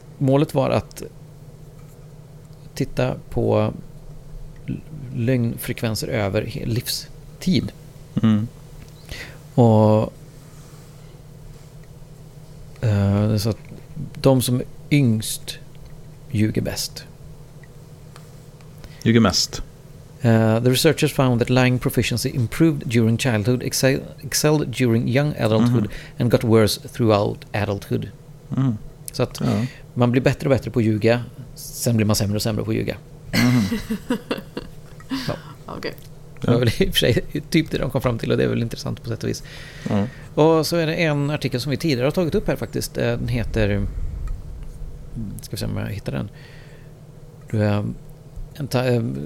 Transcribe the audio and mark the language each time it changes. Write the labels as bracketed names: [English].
[Swedish] Målet var att titta på lögnfrekvenser över livstid. Och så att de som är yngst ljuger bäst. Ljuger mest. [English] The researchers found that lying proficiency improved during childhood, excelled during young adulthood and got worse throughout adulthood. [Swedish] Så att man blir bättre och bättre på att ljuga, sen blir man sämre och sämre på att ljuga. Okej. Det var väl i och för sig typ det de kom fram till, och det är väl intressant på sätt och vis. Mm. Och så är det en artikel som vi tidigare har tagit upp här faktiskt. Den heter, ska vi se om jag hittar den.